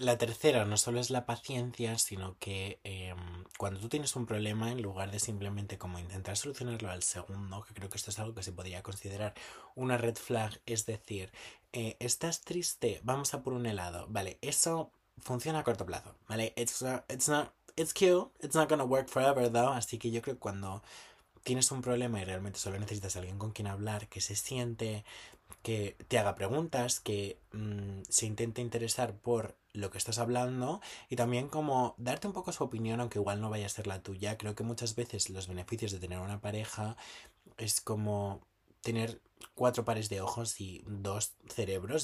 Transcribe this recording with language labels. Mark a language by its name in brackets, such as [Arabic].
[Spanish] La tercera no solo es la paciencia, sino que cuando tú tienes un problema, en lugar de simplemente como intentar solucionarlo al segundo, que creo que esto es algo que se podría considerar una red flag, es decir, estás triste, vamos a por un helado. Vale, eso funciona a corto plazo, ¿vale? [English] It's cute, it's not gonna work forever, though. [Spanish] Así que yo creo que cuando tienes un problema y realmente solo necesitas a alguien con quien hablar, que se siente, que te haga preguntas, que se intente interesar por lo que estás hablando y también como darte un poco su opinión, aunque igual no vaya a ser la tuya. Creo que muchas veces los beneficios de tener una pareja es como tener cuatro pares de ojos y dos cerebros.